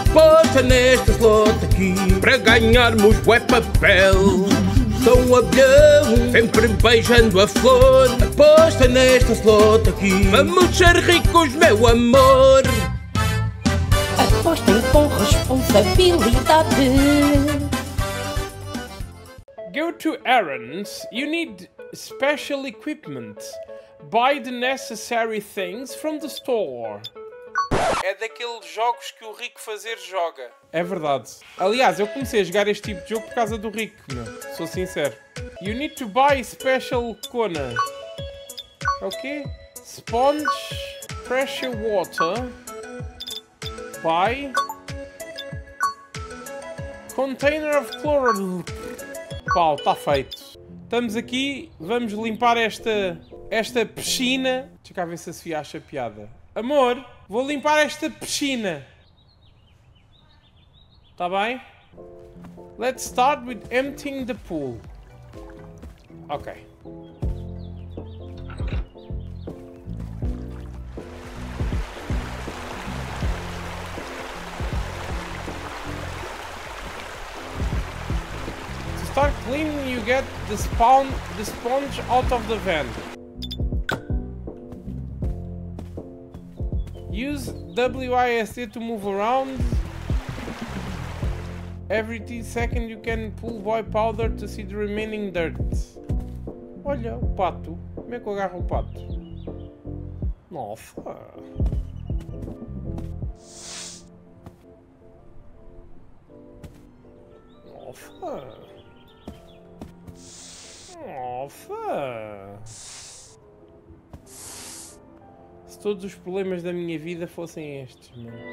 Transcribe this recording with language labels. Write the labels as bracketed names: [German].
[Portuguese] Bota neste slot aqui, para ganharmos bué papel. São abelhão, sempre beijando a flor. Aposta neste slot aqui, vamos ser ricos, meu amor. Apostem com responsabilidade. [English] Go to errands, you need special equipment. Buy the necessary things from the store. [Portuguese] É daqueles jogos que o Rico Fazer joga. É verdade. Aliás, eu comecei a jogar este tipo de jogo por causa do Rico, meu. Sou sincero. [English] You need to buy special kona. Ok. Sponge. Pressure water. Buy. Container of chloride. [Portuguese] Pau, está feito. Estamos aqui, vamos limpar esta piscina. Deixa cá ver se a Sofia acha piada. Amor, vou limpar esta piscina. Está bem? [English] Let's start with emptying the pool. Ok. Start cleaning, you get the sponge out of the van. Use WASD to move around. Every 10 seconds you can pull boy powder to see the remaining dirt. [Portuguese] Olha, o pato. Como é que eu agarro o pato? Nossa. Nossa. Nossa! Se todos os problemas da minha vida fossem estes, meu.